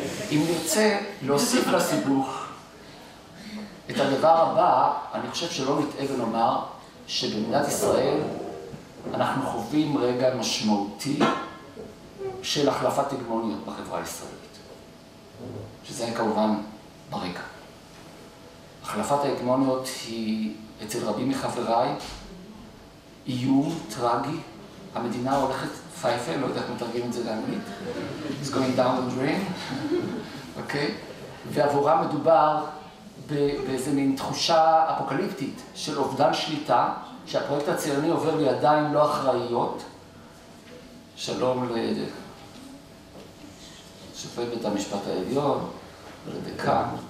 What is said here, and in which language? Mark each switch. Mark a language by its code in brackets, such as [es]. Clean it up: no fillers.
[he] אם נרצה להוסיף לסיבוך את הדבר הבא, אני חושב שלא נתאה ונאמר שבמדינת ישראל אנחנו חווים רגע משמעותי של החלפת הגמוניות בחברה הישראלית. שזה כמובן ברקע. החלפת ההגמוניות היא אצל רבים מחבריי איום טרגי, המדינה הולכת פייפה, לא יודע איך מתרגים את זה לאנגלית. [en] It's going down the drain, אוקיי? [he] ועבורה מדובר באיזה מין תחושה אפוקליפטית של אובדן שליטה, שהפרויקט הציוני עובר לידיים לא אחראיות. שלום לשופט בית המשפט העליון, לדקן.